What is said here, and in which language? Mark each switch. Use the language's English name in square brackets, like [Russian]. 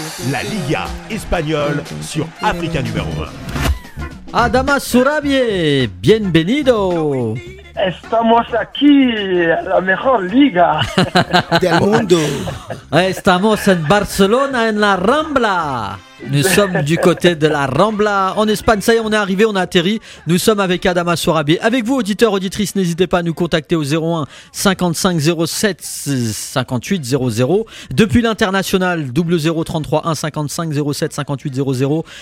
[French] La Liga espagnole sur Africa numéro 1. [Spanish] Adama Sourabié, bienvenido. Estamos aquí, la mejor liga del mundo. Estamos en Barcelona, en la Rambla. [French] Nous sommes du côté de la Rambla en Espagne. Ça y est, on est arrivé, on a atterri. Nous sommes avec Adama Sourabié. Avec vous, auditeurs, auditrices, n'hésitez pas à nous contacter au 01 55 07 58 00. Depuis l'international, 00 33 1 55 07 58 00.